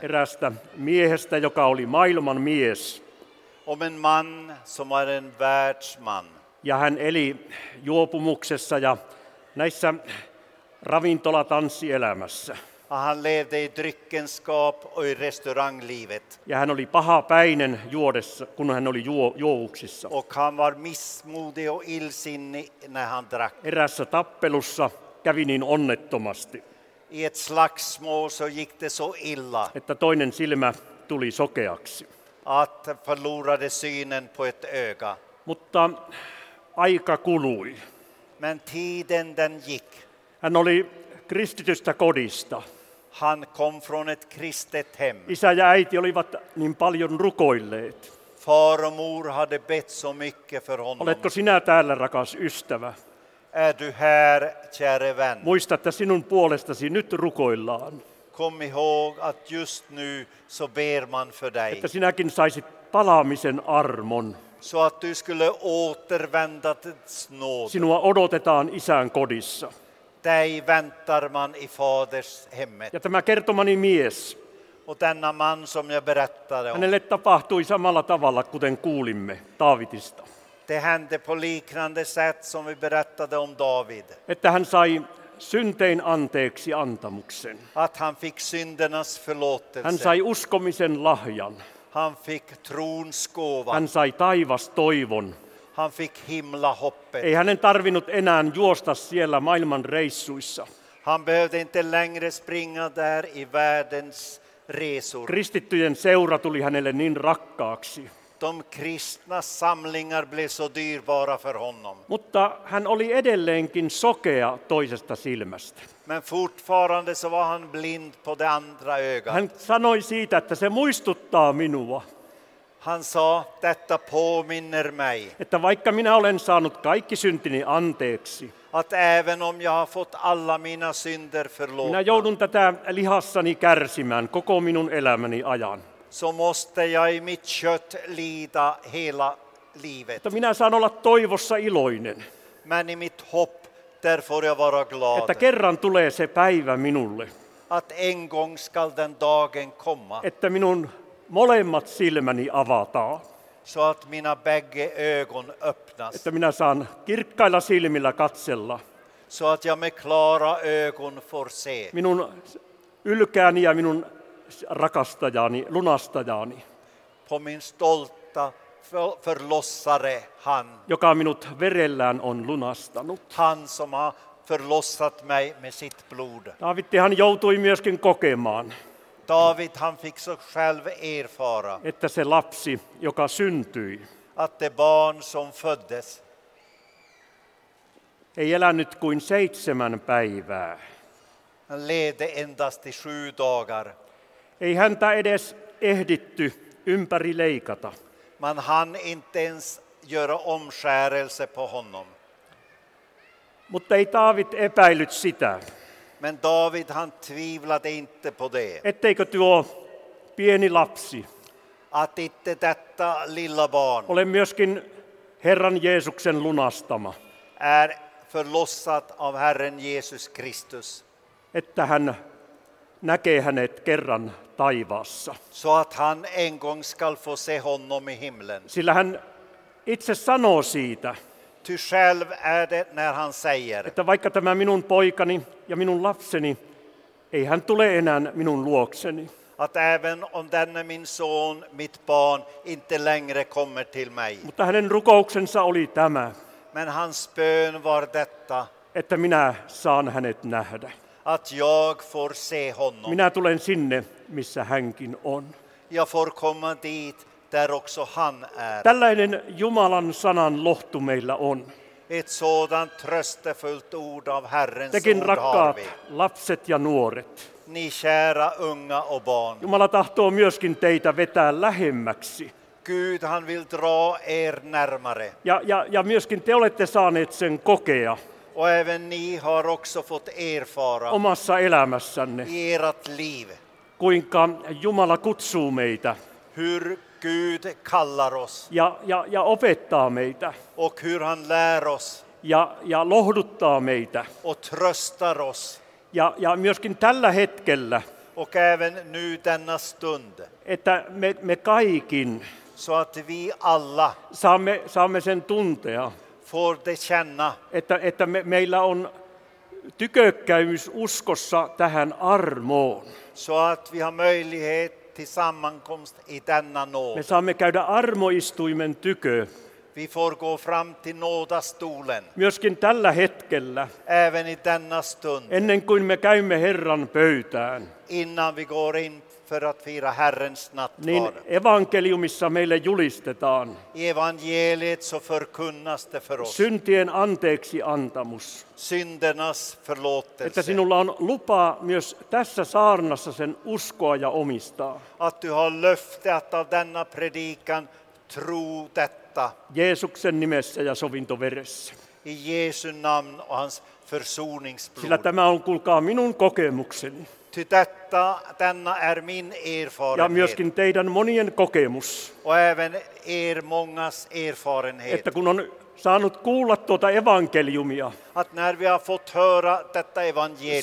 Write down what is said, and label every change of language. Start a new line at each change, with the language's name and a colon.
Finnish: Erästä miehestä, joka oli maailman mies.
Swedish: Om en man som var en världsman.
Finnish: Ja hän eli juopumuksessa ja näissä ravintolatanssielämässä.
Swedish: Han levde i dryckenskap och i restauranglivet.
Finnish: Ja hän oli pahapäinen juodessa, kun hän oli juovuksissa.
Swedish: Och han var missmodig och illsinnig när han drack.
Finnish: Erässä tappelussa kävi niin onnettomasti.
Swedish: I ett slagsmål så gick det så illa.
Finnish: Että toinen silmä tuli sokeaksi.
Swedish: Att förlorade synen på ett öga.
Finnish: Mutta aika kului.
Swedish: Men tiden den gick.
Finnish: Hän oli kristitystä kodista.
Swedish: Han kom från ett kristet hem.
Finnish: Isä ja äiti olivat niin paljon rukoilleet.
Swedish: Far och mor hade bett så mycket för honom.
Finnish: Oletko sinä täällä, rakas ystävä?
Swedish: Är du här, käre vän?
Finnish: Muista, että sinun puolestasi nyt rukoillaan.
Swedish: Kom ihåg att just nu så ber man för dig.
Finnish: Että sinäkin saisit palaamisen armon.
Swedish: Så att du skulle återvända till nåd.
Finnish: Sinua odotetaan isän kodissa.
Swedish: Dig väntar man i faders hemmet.
Finnish: Ja tämä kertomani mies.
Swedish: Och denna man som jag berättade om.
Finnish: Hänelle tapahtui samalla tavalla, kuten kuulimme Daavidista.
Swedish: Det hände på liknande sätt som vi berättade om David.
Finnish: Että hän sai syntein anteeksi antamuksen.
Swedish: Att han fick syndernas förlåtelse.
Finnish: Hän sai uskomisen lahjan.
Swedish: Han fick trons gåva.
Finnish: Hän sai taivas toivon.
Swedish: Han fick himla hoppet.
Finnish: Ei hänen tarvinnut enää juosta siellä maailman reissuissa.
Swedish: Han behövde inte längre springa där i världens resor.
Finnish: Kristittyjen seura tuli hänelle niin rakkaaksi.
Swedish: De kristna samlingar blev så dyrbara för honom.
Finnish: Mutta hän oli edelleenkin sokea toisesta silmästä.
Swedish: Men fortfarande så var han blind på det andra ögat.
Finnish: Hän sanoi siitä, että se muistuttaa minua.
Swedish: Han sa, detta påminner mig.
Finnish: Että vaikka minä olen saanut kaikki syntini anteeksi.
Swedish: Att även om jag har fått alla mina synder förlåtna.
Finnish: Minä joudun tätä lihassani kärsimään koko minun elämäni ajan.
Swedish: Så måste jag i mitt kött lida hela livet.
Finnish: Mutta minä saan olla toivossa iloinen.
Swedish: Men i mitt hopp, där får jag vara glad.
Finnish: Että kerran tulee se päivä minulle.
Swedish: Att en gång skall den dagen komma.
Finnish: Että minun molemmat silmäni avataan.
Swedish: så att mina bägge ögon öppnas.
Finnish: Että minä saan kirkkailla silmillä katsella.
Swedish: Så att jag med klara ögon får se.
Finnish: Minun ylkääni ja minun rakastajani, lunastajani.
Swedish: På min stolta förlossare han.
Finnish: Joka minut verellään on lunastanut.
Swedish: Han som har förlossat mig med sitt blod.
Finnish: Davidhan joutui myöskin kokemaan.
Swedish: David han fick så själv erfara.
Finnish: Että se lapsi, joka syntyi.
Swedish: Att det barn som föddes.
Finnish: Ei elänyt kuin 7 päivää.
Swedish: Han levde endast i 7 dagar.
Finnish: Ei häntä edes ehditty ympäri leikata.
Swedish: Man hann inte ens göra omskärelse på honom.
Finnish: Mutta ei David epäillyt sitä.
Swedish: Men David han tvivlade inte på det.
Finnish: Etteikö tuo pieni lapsi.
Swedish: Att inte detta lilla barn.
Finnish: Olen myöskin Herran Jeesuksen lunastama.
Swedish: Är förlossat av Herren Jesus Kristus.
Finnish: Että hän näkee hänet kerran taivaassa.
Swedish: Så att han en gång skall få se honom i himlen.
Finnish: Sillä hän itse sanoo siitä.
Swedish: Ty själv är det när han säger.
Finnish: Että vaikka tämä minun poikani ja minun lapseni, ei hän tule enää minun luokseni.
Swedish: Att även om denna min son, mitt barn, inte längre kommer till mig.
Finnish: Mutta hänen rukouksensa oli tämä.
Swedish: Men hans bön var detta.
Finnish: Että minä saan hänet nähdä.
Swedish: Att jag får se honom.
Finnish: Minä tulen sinne, missä hänkin on.
Swedish: Jag får komma dit. Där också han är.
Finnish: Tällainen Jumalan sanan lohtu meillä on.
Swedish: Ett sådant tröstefullt ord av Herrens ord.
Finnish: Tekin rakkaat lapset ja nuoret.
Swedish: Ni kära unga och barn.
Finnish: Jumala tahtoo myöskin teitä vetää lähemmäksi.
Swedish: Gud han vill dra er närmare.
Finnish: Ja myöskin te olette saaneet sen kokea.
Swedish: Och även ni har också fått erfara.
Finnish: Omassa elämässänne.
Swedish: I ert liv.
Finnish: Kuinka Jumala kutsuu meitä.
Swedish: Hur Gud kallar oss.
Finnish: Ja opettaa meitä.
Swedish: Och hur han lär oss.
Finnish: Ja lohduttaa meitä.
Swedish: Och tröstar oss.
Finnish: Ja myöskin tällä hetkellä.
Swedish: Och även nu denna stund.
Finnish: Että me kaikin.
Swedish: Så att vi alla.
Finnish: Saamme sen tuntea.
Swedish: Får det känna.
Finnish: Että meillä on tyköykkäymys uskossa tähän armoon.
Swedish: Så att vi har möjlighet. Tillsammankomst i denna nåd.
Finnish: Me saamme käydä armoistuimen tykö.
Swedish: Vi får gå fram till nådastolen.
Finnish: Myöskin tällä hetkellä.
Swedish: Även i denna stund.
Finnish: Ennen kuin me käymme Herran pöytään.
Swedish: Innan vi går in för att fira Herrens nattvard.
Finnish: Niin evankeliumissa meille julistetaan.
Swedish: I evangeliet så förkunnas det för oss.
Finnish: Syntien anteeksi antamus.
Swedish: Syndernas förlåtelse.
Finnish: Että sinulla on lupa myös tässä saarnassa sen uskoa ja omistaa.
Swedish: Att du har löfte att av denna predikan tro detta.
Finnish: Jeesuksen nimessä ja sovintoveressä.
Swedish: I Jeesun namn och hans försoningsblod.
Finnish: Sillä tämä on, kuulkaa, minun kokemukseni.
Swedish: Ty detta, denna är min erfarenhet.
Finnish: Ja myöskin teidän monien kokemus.
Swedish: Och även er mångas erfarenhet.
Finnish: Että kun on saanut kuulla tuota evankeliumia.
Swedish: Att när vi har fått höra detta evangelium.